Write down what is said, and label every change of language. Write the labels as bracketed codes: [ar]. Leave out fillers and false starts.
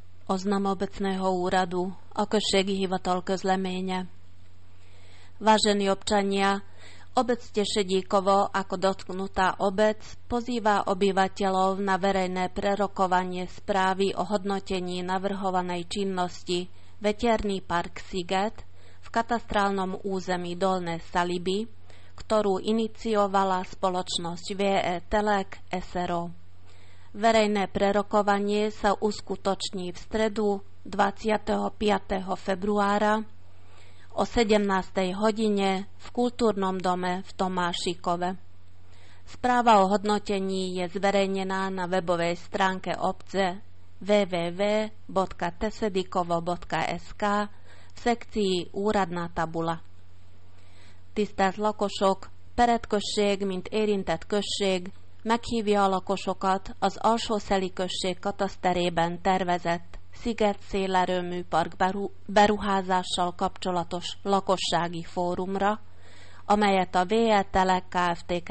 [sk] oznam obecného úradu, [hu] okršiek hivatol közleménye. [sk] Vážení občania, obec Tešedíkovo ako dotknutá obec pozýva obyvateľov na verejné prerokovanie správy o hodnotení navrhovanej činnosti Veterný park Siget v katastrálnom území Dolné Saliby, ktorú iniciovala spoločnosť VE Telek SRO. Verejné prerokovanie sa uskutoční v stredu 25. februára o 17. hodine v kultúrnom dome v Tomášikove. Správa o hodnotení je zverejnená na webovej stránke obce www.tesedikovo.sk v sekcii Úradná tabula. [hu] Tisztelt lakosok, Peretkösség, mint érintett község, meghívja a lakosokat az Alsószeli község kataszterében tervezett Sziget szélerőmű park beruházással kapcsolatos lakossági fórumra, amelyet a VE Telek Kft.